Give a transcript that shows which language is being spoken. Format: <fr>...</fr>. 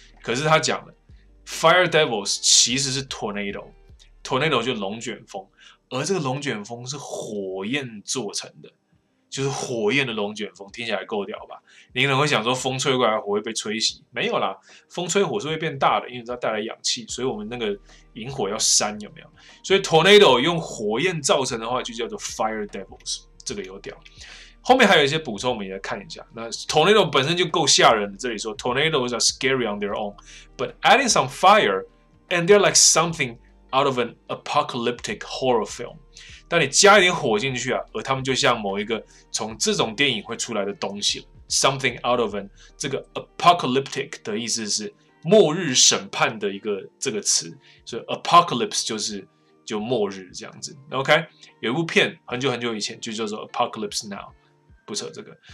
<zh>可是他讲了 ，fire devils 其实是 tornado 就龙卷风，而这个龙卷风是火焰做成的，就是火焰的龙卷风，听起来够屌吧？你可能会想说，风吹过来火会被吹熄？没有啦，风吹火是会变大的，因为它带来氧气，所以我们那个引火要扇，有没有？所以 tornado 用火焰造成的话，就叫做 fire devils， 这个有屌。后面还有一些补充，我们也来看一下。那 tornado 本身就够吓人的，这里说</zh> <en>tornadoes are scary on their own， but adding some fire and they're like something out of an apocalyptic horror film。</en> <zh>但你加一点火进去啊，而他们就像某一个从这种电影会出来的东西了。</zh> <en>Something out of an</en> <zh>这个 apocalyptic 的意思是末日审判的一个这个词，所以 apocalypse 就末日这样子。 OK， 有一部片很久很久以前就叫做 Apocalypse Now， 不扯这个。</zh>